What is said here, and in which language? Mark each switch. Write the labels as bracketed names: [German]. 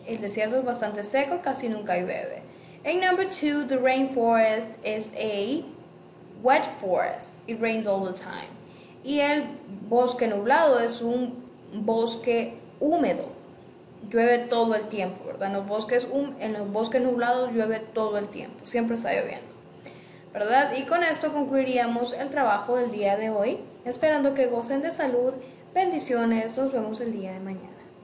[Spanish] El desierto es bastante seco, casi nunca llueve. [English] And number two, the rainforest is a wet forest. It rains all the time. [Spanish] Y el bosque nublado es un bosque húmedo, llueve todo el tiempo, ¿verdad? En los bosques nublados llueve todo el tiempo, siempre está lloviendo, ¿verdad? Y con esto concluiríamos el trabajo del día de hoy, esperando que gocen de salud, bendiciones, nos vemos el día de mañana.